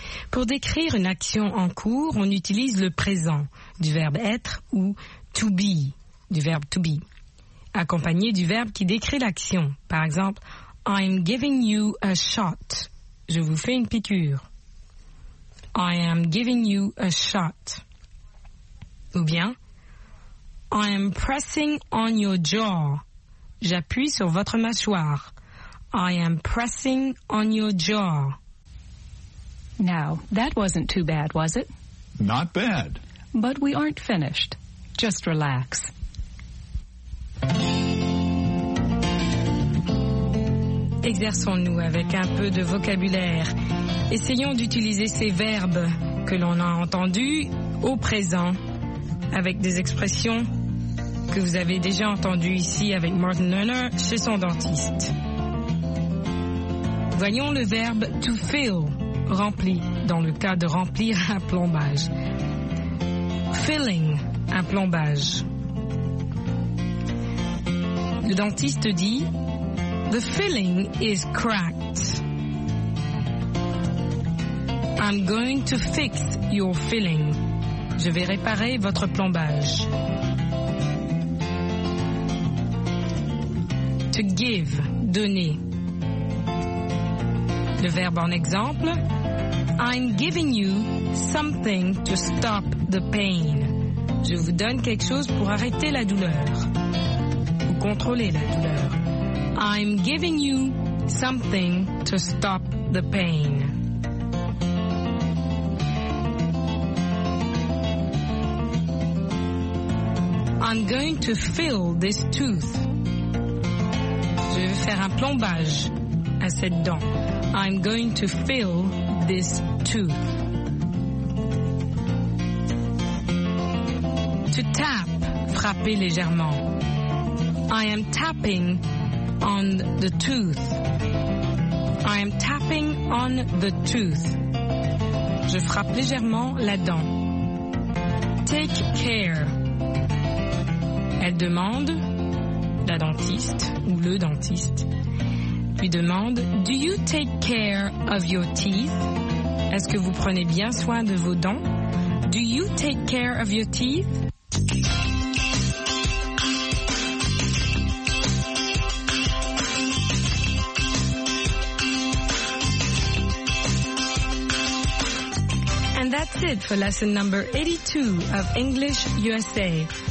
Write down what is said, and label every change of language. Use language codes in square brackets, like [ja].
[fr] Pour décrire une action en cours, on utilise le présent du verbe être ou to be, du verbe to be, accompagné du verbe qui décrit l'action. Par exemple, [en] I'm giving you a shot. [fr] Je vous fais une piqûre. [en] I am giving you a shot. [fr] Ou bien, [en] I am pressing on your jaw. [fr] J'appuie sur votre mâchoire. [en] I am pressing on your jaw. Now, that wasn't too bad, was it? Not bad. But we aren't finished. Just relax. [fr] Exerçons-nous avec un peu de vocabulaire. Essayons d'utiliser ces verbes que l'on a entendus au présent avec des expressions que vous avez déjà entendues ici avec Martin Lerner chez son dentiste. Voyons le verbe « to fill ». Rempli, dans le cas de remplir un plombage. Filling, un plombage. Le dentiste dit, [en] The filling is cracked. I'm going to fix your filling. [fr] Je vais réparer votre plombage. [en] To give, donner. [fr] Le verbe en exemple, [en] I'm giving you something to stop the pain. [fr] Je vous donne quelque chose pour arrêter la douleur. Ou contrôler la douleur. [en] I'm giving you something to stop the pain. I'm going to fill this tooth. [fr] Je vais faire un plombage à cette dent. [en] I'm going to fill this tooth. [fr] To tap, frapper légèrement. [en] I am tapping on the tooth. I am tapping on the tooth. [fr] Je frappe légèrement la dent. [en] Take care. [fr] Elle demande, la dentiste ou le dentiste, lui demande, [en] Do you take care of your teeth? [fr] Est-ce que vous prenez bien soin de vos dents? [en] Do you take care of your teeth? And that's it for lesson number 82 of English USA.